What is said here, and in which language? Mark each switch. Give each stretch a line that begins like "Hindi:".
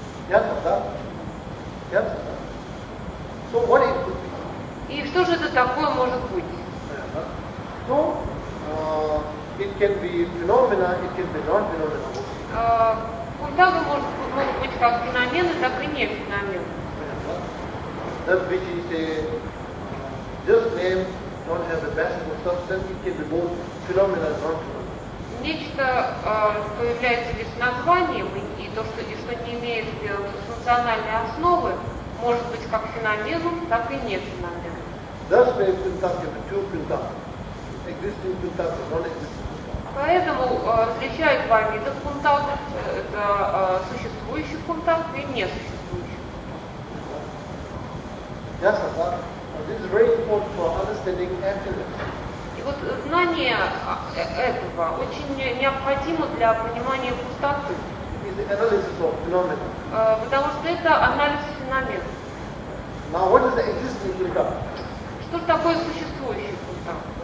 Russian: Ясно, да? Ясно, да?
English: So what is quinta?
Russian: И что же это такое может быть?
English: Ну, it can be phenomena, it can be non-phenomena.
Russian: Культавы могут быть как феномены, так и не феномены.
English: That which is a just name, don't have a basic substance, it can be both phenomena and non-phenomena.
Russian: Нечто, что является лишь названием, и то, что лишь не имеет функциональной основы, может быть как феноменом, так и не феноменом.
English: Thus we have to talk about two quintals. Existing quintals and non-existing quintals.
Russian: Поэтому различают два вида квинталов. Это существующий квинтал и несуществующий.
English: Yes, but this is very important for understanding emptiness.
Russian: И вот знание этого очень необходимо для понимания пустоты.
English: It is the analysis of phenomena.
Russian: Потому что это анализ феномена.
English: Now what is the existing quintal?
Russian: Что же такое существующий квинтал?